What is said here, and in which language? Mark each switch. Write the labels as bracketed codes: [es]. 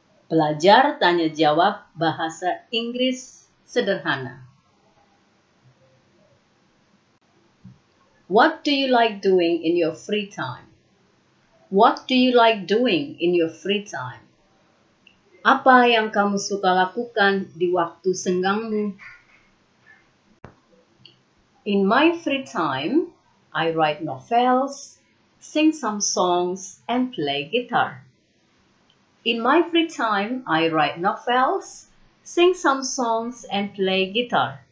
[id] Belajar tanya jawab bahasa Inggris sederhana. [en] What do you like doing in your free time? What do you like doing in your free time? [id] Apa yang kamu suka lakukan di waktu senggangmu? [en] In my free time, I write novels, sing some songs, and play guitar. In my free time, I write novels, sing some songs, and play guitar.